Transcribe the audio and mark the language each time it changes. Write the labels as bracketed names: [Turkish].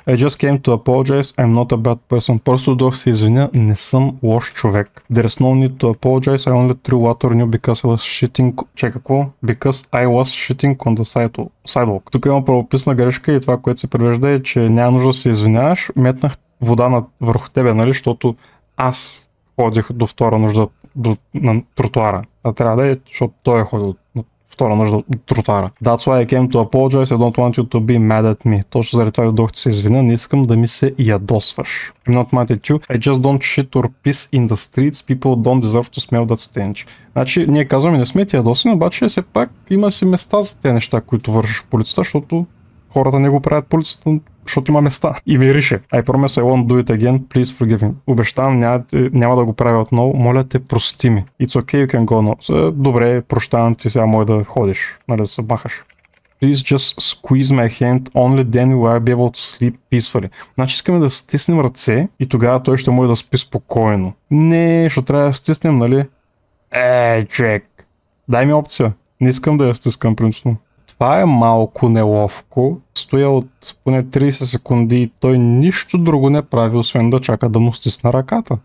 [English] I just came to apologize, I'm not a bad person. [Bulgarian] Просто дох се извиня, не съм лош човек. [English] There's no need to apologize, I only threw water on you because I was shitting... [Bulgarian] Че какво? [English] Because I was shitting on the sidewalk. [Bulgarian] Тук има правописна грешка и това, което се превежда е, че няма нужда да се извиняваш. Метнах вода върху тебе, нали, защото аз ходих до втора нужда на тротуара. А трябва да е, защото той е ходил на втора нужда от тротуара. [English] That's why I came to apologize, I don't want you to be mad at me. [Bulgarian] Точно заради това дох ти се извиня, не искам да ми се ядосваш. [English] I'm not mad at you, I just don't shit or piss in the streets, people don't deserve to smell that stench. [Bulgarian] Значи, ние казваме, не сме ти ядосани, обаче все пак има си места за тези неща, които вършиш по лицата, защото хората не го правят по лицата, защото има места. И мирише. [English] I promise I won't do it again. Please forgive me. [Bulgarian] Обещавам, няма да го правя отново. Моля те, прости ми. [English] It's okay, you can go now. [Bulgarian] Добре, прощавам ти, сега може да ходиш. Нали, да се махаш. [English] Please just squeeze my hand. Only then will I be able to sleep peacefully. [Bulgarian] Значи искаме да стиснем ръце и тогава той ще може да спи спокойно. Не, ще трябва да стиснем, нали? Чек. Дай ми опция. Не искам да я стискам, принципно. Това е малко неловко. Стоя от поне 30 секунди и той нищо друго не прави, освен да чака да му стисна ръката.